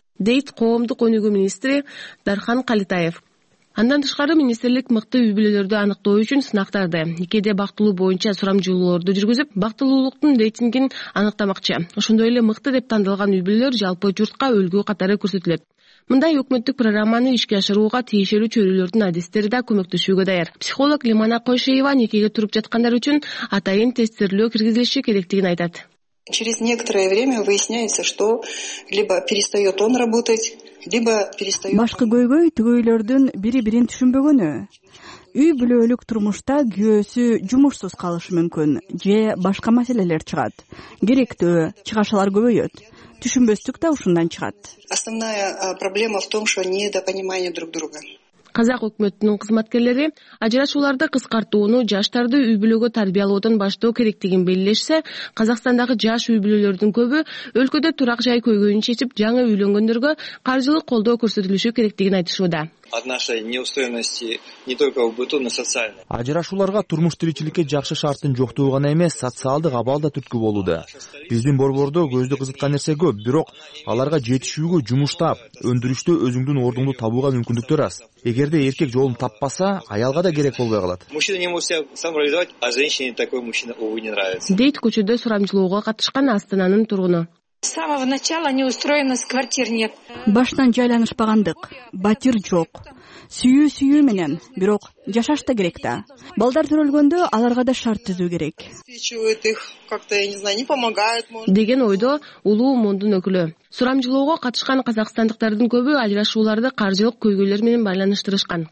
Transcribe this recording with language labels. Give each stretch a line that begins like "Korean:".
Kyrgyz: Дейт коомдук өнүгүү министри Дархан Калитаев. Андан тышкары министрлик мыкты үй бүлөлөрдү аныктоо үчүн сынактарды, никеде бактылуу боюнча сурамжылоолорду жүргүзүп, бактылуулуктун рейтингин аныктамакчы. Ошондой эле мыкты деп тандалган үй бүлөлөр жалпы журтка үлгү катары көрсөтүлөт. Мындай өкмөттүк программаны ишке ашырууга тиешелүү чөйрөлөрдүн адистери да көмөктөшүүгө даяр. Психолог Лимана Койшеева никеге туруп жаткандар үчүн атайын тестирлөө киргизилиши керектигин айтат.
Russian: Через некоторое время выясняется, что либо перестает он работать, либо перестает...
Kyrgyz: Башкы көйгөй түгөйлөрдүн бири-бирин түшүнбөгөнү. Үй бүлөлүк турмушта күйөөсү жумушсуз калышы мүмкүн, же башка маселелер чыгат. Керектүү чыгашалар көбөйөт. Түшүнбөстүк да ушундан чыгат.
Russian: Основная проблема в том, что недопонимание друг друга.
Kyrgyz: Казак өкмөтүнүн кызматкерлери ажырашууларды кыскартууну, жаштарды үй бүлөгө тарбиялоодон баштоо керектигин белгилешсе, Казакстандагы жаш үй бүлөлөрдүн көбү өлкөдө турак жай көйгөйүн чечип, жаңы үйлөнгөндөргө каржылык колдоо көрсөтүлүшү керектигин айтышууда.
Russian: от нашей неустойности не только в быту, но и социально.
Kyrgyz: Ажырашууларга турмуш тиричиликке жакшы шарттын жоктугу гана эмес, социалдык абал да түрткү болууда. Биздин борбордо көздү кызыткан нерсе көп, бирок аларга жетишүүгө жумуштап, өндүрүштө өзүңдүн ордуңду табууга мүмкүндүктөр аз. Эгерде эркек жолун таппаса, аялга да керек болбой калат.
Russian: Мужчина не может себя самореализовать, а женщине такой мужчина, увы, не нравится.
Kyrgyz: Дейт көчөдө сурамжылоого катышкан Астананын тургуну.
Russian: С самого начала неустроенность квартир нет.
Kyrgyz: Баштан жайланышпагандык, батир жок. Сүйүү-сүйү менен, бирок жашаш да керек да. Балдар төрөлгөндө аларга да шарт түзүү керек. Деген ойдо улуу мондун өкүлү. Сурамжылоого катышкан казакстандыктардын көбү ажырашууларды каржылык көйгөйлөр менен байланыштырышкан.